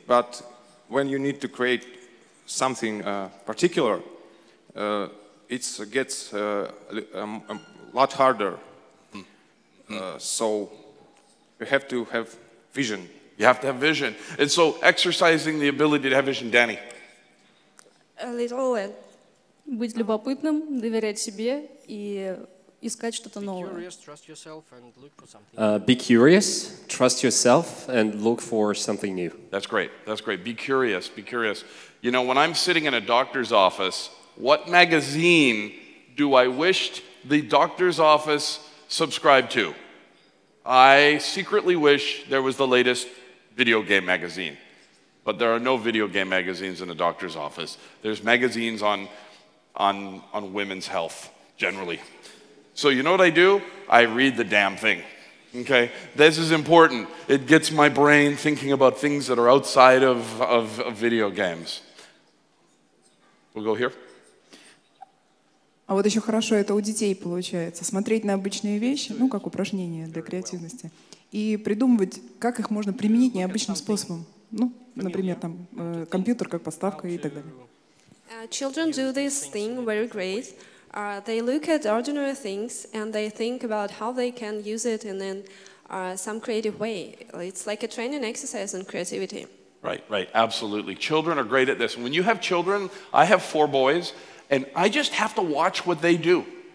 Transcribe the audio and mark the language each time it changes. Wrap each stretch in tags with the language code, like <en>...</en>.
<en>But when you need to create something particular, it gets a lot harder. So you have to have vision. You have to have vision. And so exercising the ability to have vision, Danny. A little</en> <ru>быть любопытным, доверять себе и искать что-то новое.</ru> <en>Be curious, trust yourself and look for something new. That's great. That's great. Be curious, be curious. You know, when I'm sitting in a doctor's office, what magazine do I wish the doctor's office subscribed to? I secretly wish there was the latest video game magazine. But there are no video game magazines in the doctor's office. There's magazines on women's health, generally. So you know what I do? I read the damn thing. Okay? This is important. It gets my brain thinking about things that are outside of video games. We'll go here.</en> <ru>А вот еще хорошо, это у детей получается. Смотреть на обычные вещи, ну, как упражнения для креативности, и придумывать, как их можно применить необычным способом. Ну, например, там, компьютер как подставка и так далее.</ru> <en>Children do this thing very great. They look at ordinary things and they think about how they can use it in some creative way. It's like a training exercise on creativity. Right, right, absolutely. Children are great at this. When you have children, I have four boys, and I just have to watch what they do.</en>